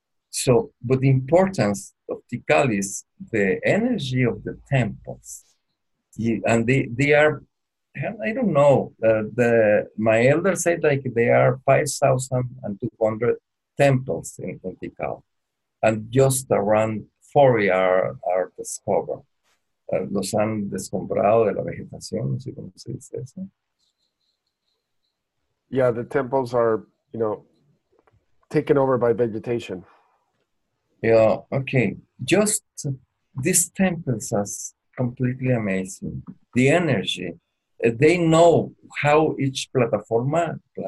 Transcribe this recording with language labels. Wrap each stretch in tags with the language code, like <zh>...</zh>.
<en>So, but the importance of Tikal is the energy of the temples. And they are, I don't know, my elder said like there are 5,200 temples in Tikal. And just around 40 are discovered.</en> <es>Los han descombrado de la vegetación, no sé cómo se dice eso.</es> <en>Yeah, the temples are, you know, taken over by vegetation. Yeah, okay. Just these temples are completely amazing. The energy, they know how each plataforma...</en>